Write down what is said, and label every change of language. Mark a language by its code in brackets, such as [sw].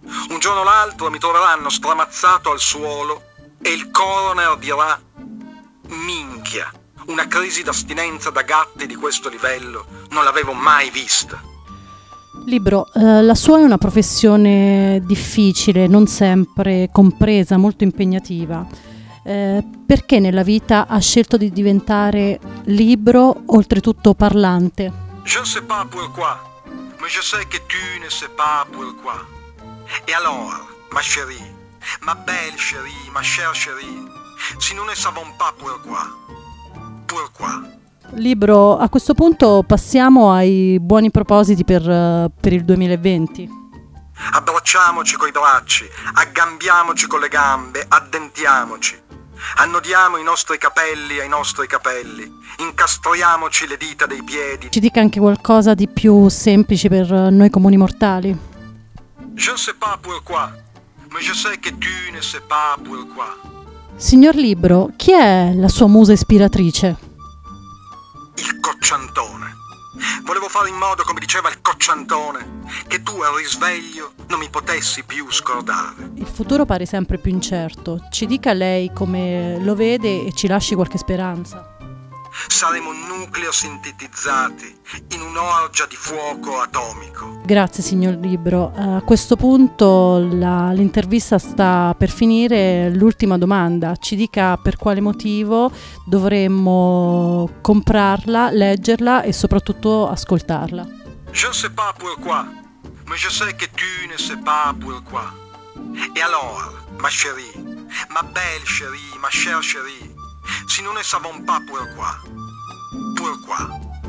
[it] Un giorno o l'altro mi troveranno stramazzato al suolo e il coroner dirà: minchia, una crisi d'astinenza da gatti di questo livello non l'avevo mai vista. Libro, la sua è una professione difficile, non sempre compresa, molto impegnativa. Perché nella vita ha scelto di diventare libro, oltretutto parlante? [fr] Je ne sais pas pourquoi, mais je sais que tu ne sais pas pourquoi. Et alors, ma chérie, ma belle chérie, ma chère chérie, si nous ne savons pas pourquoi, pourquoi? [it] Libro, a questo punto passiamo ai buoni propositi per il 2020. Abbracciamoci coi bracci, aggambiamoci con le gambe, addentiamoci. Annodiamo i nostri capelli ai nostri capelli, incastriamoci le dita dei piedi. Ci dica anche qualcosa di più semplice per noi comuni mortali. [fr] Je ne sais pas pourquoi, mais je sais que tu ne sais pas pourquoi. [it] Signor Libro, chi è la sua musa ispiratrice? Il Cocciantone. Volevo fare in modo, come diceva il Cocciantone, che tu al risveglio non mi potessi più scordare. Il futuro pare sempre più incerto. Ci dica lei come lo vede e ci lasci qualche speranza. Saremo nucleo sintetizzati in un'orgia di fuoco atomico. Grazie, signor Libro. A questo punto l'intervista sta per finire. L'ultima domanda. Ci dica per quale motivo dovremmo comprarla, leggerla e soprattutto ascoltarla. [fr] Je ne sais pas pourquoi, mais je sais que tu ne sais pas pourquoi. Et alors, ma chérie, ma belle chérie, ma chère chérie, si nous ne savons pas pourquoi, pourquoi?